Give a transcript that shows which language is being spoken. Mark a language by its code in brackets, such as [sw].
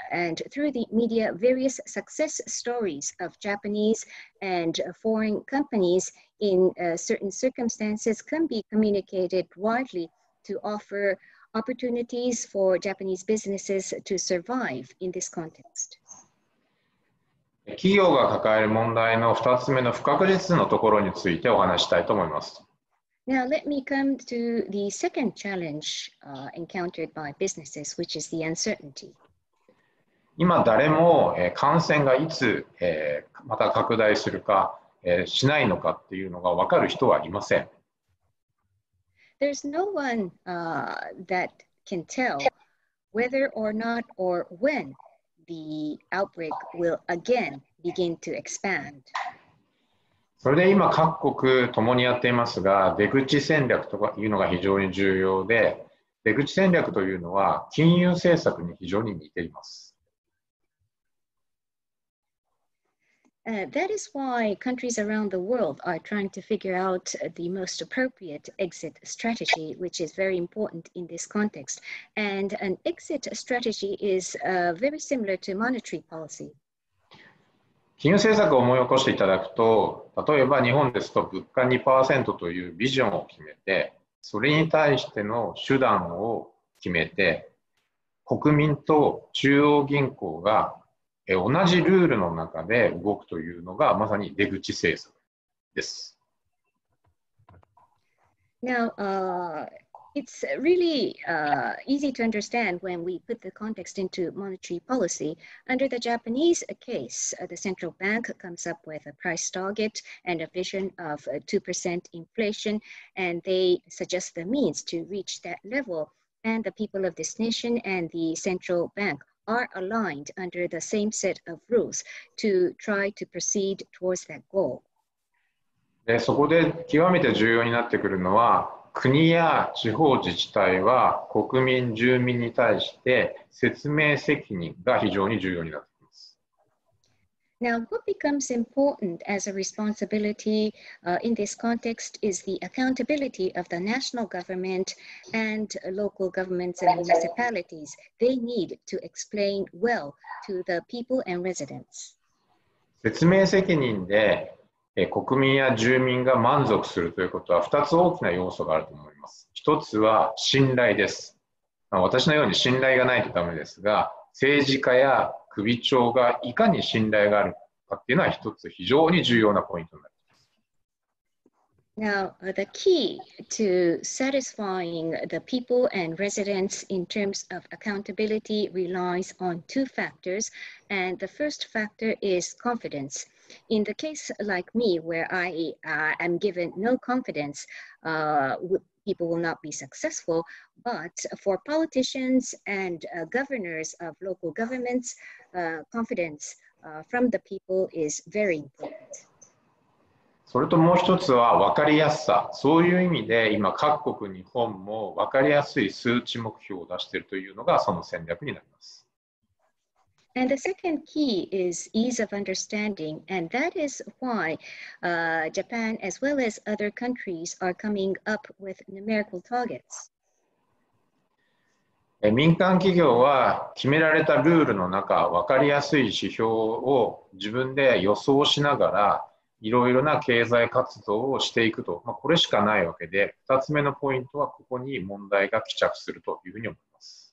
[en] And through the media, various success stories of Japanese and foreign companies in certain circumstances can be communicated widely to offer. Opportunities for Japanese businesses to survive in this context. [ja] 企業が抱える問題の2つ目の不確実のところについてお話したいと思います。 [en] Now let me come to the second challenge encountered by businesses, which is the uncertainty. [ja] 今誰も感染がいつまた拡大するかしないのかっていうのが分かる人はいません。 [en] There's no one that can tell whether or not or when the outbreak will again begin to expand. [ja] それで今各国ともにやっていますが、出口戦略というのが非常に重要で、出口戦略というのは金融政策に非常に似ています。 [en] That is why countries around the world are trying to figure out the most appropriate exit strategy, which is very important in this context. And an exit strategy is very similar to monetary policy. [ja] 金融政策を思い起こしていただくと、例えば日本ですと物価 2% というビジョンを決めて、それに対しての手段を決めて、国民と中央銀行が同じルールの中で動くというのがまさに出口政策です。 [en] Now, it's really easy to understand when we put the context into monetary policy. Under the Japanese case, the central bank comes up with a price target and a vision of 2% inflation, and they suggest the means to reach that level. And the people of this nation and the central bankare aligned under the same set of rules to try to proceed towards that goal. [ja] で、そこで極めて重要になってくるのは、国や地方自治体は国民、住民に対して説明責任が非常に重要になってきます。 [en] Now, what becomes important as a responsibility in this context is the accountability of the national government and local governments and municipalities. They need to explain well to the people and residents. [ja] 説明責任で国民や住民が満足するということは2つ大きな要素があると思います。 1つは信頼です。私のように信頼がないとダメですが、政治家や首長がいかに信頼があるかっていうのは一つ非常に重要なポイントになります。 [en] Now, the key to satisfying the people and residents in terms of accountability relies on two factors, and the first factor is confidence. In the case like me, where I am given no confidence, people will not be successful. But for politicians and governors of local governments, confidence from the people is very important. [ja] それともう一つは分かりやすさ。そういう意味で今各国日本も分かりやすい数値目標を出しているというのがその戦略になります。 [en] And the second key is ease of understanding, and that is why Japan as well as other countries are coming up with numerical targets. [ja] 民間企業は決められたルールの中、分かりやすい指標を自分で予想しながらいろいろな経済活動をしていくと、まあ、これしかないわけで、2つ目のポイントはここに問題が帰着するというふうに思います。